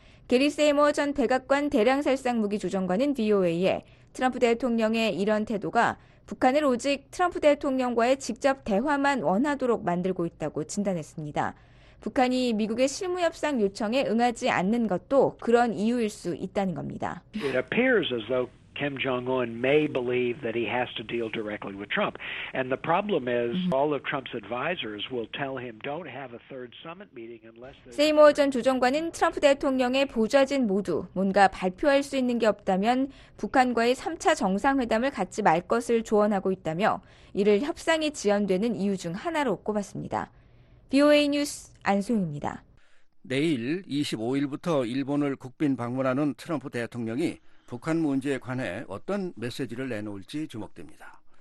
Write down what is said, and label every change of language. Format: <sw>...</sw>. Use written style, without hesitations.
<ko>게리 세이머 전 백악관 대량살상 무기 조정관은 VOA에 트럼프 대통령의 이런 태도가 북한을 오직 트럼프 대통령과의 직접 대화만 원하도록 만들고 있다고 진단했습니다. 북한이 미국의 실무협상 요청에 응하지 않는 것도 그런 이유일 수 있다는 겁니다.</ko> <en>It appears as though Kim Jong-un may believe that he has to deal directly with Trump. And the problem is all of Trump's advisors will tell him don't have a third summit meeting unless there's</en> <ko>세이머 전 조정관은 트럼프 대통령의 보좌진 모두 뭔가 발표할 수 있는 게 없다면 북한과의 3차 정상회담을 갖지 말 것을 조언하고 있다며 이를 협상이 지연되는 이유 중 하나로 꼽았습니다. VOA 뉴스 안소영입니다. 내일 25일부터 일본을 국빈 방문하는 트럼프 대통령이 북한 문제에 관해 어떤 메시지를 내놓을지 주목됩니다.</ko>